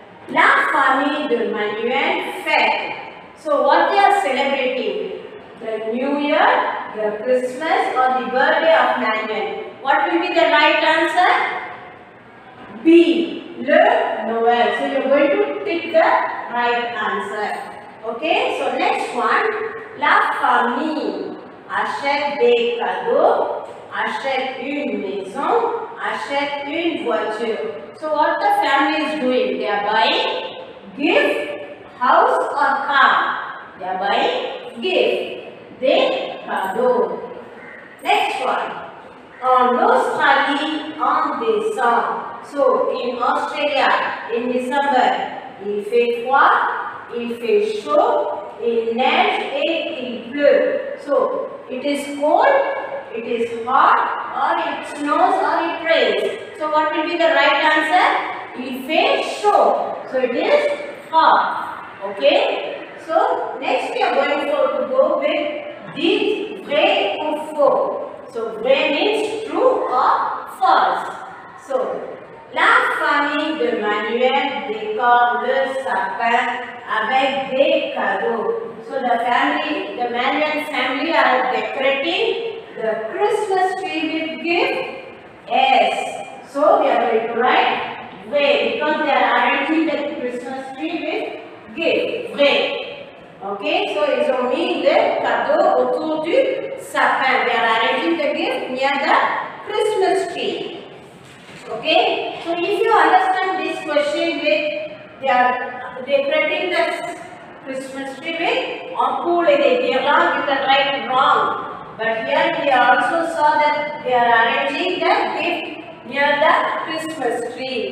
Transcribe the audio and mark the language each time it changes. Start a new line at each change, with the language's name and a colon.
French: La famille de Manuel fête.
English: So, what they are celebrating? The New Year, the Christmas, or the birthday of Manuel? What will be the right answer? B.
French: Le Noël.
English: So you are going to tick the right answer. Okay, so next one.
French: La famille achète des cadeaux, achète une maison, achète une voiture.
English: So what the family is doing? They are buying gift, house or car. They are buying gift,
French: des cadeaux.
English: Next one.
French: En Australie, en décembre.
English: So, in Australia, in December,
French: il fait froid, il fait chaud, il neige et il pleut.
English: So, it is cold, it is hot, or it snows or it rains. So, what will be the right answer?
French: Il fait chaud.
English: So, it is hot. Okay? So, next we are going to go with
French: dit vrai ou faux.
English: So, vrai means true or false.
French: So, la famille de Manuel décore le sapin avec des cadeaux.
English: So the family, the Manuel family are decorating the Christmas tree with gift. Yes. So we are going to write vrai because they are arranging the Christmas tree with gift.
French: Vrai. Okay. So ils ont mis le cadeau autour du sapin.
English: They are arranging the gift near the Christmas tree. Okay, so if you understand this question with they are decorating the Christmas tree with
French: ampoule et guirlande,
English: you can write wrong. But here we also saw that they are arranging the gift near the Christmas tree.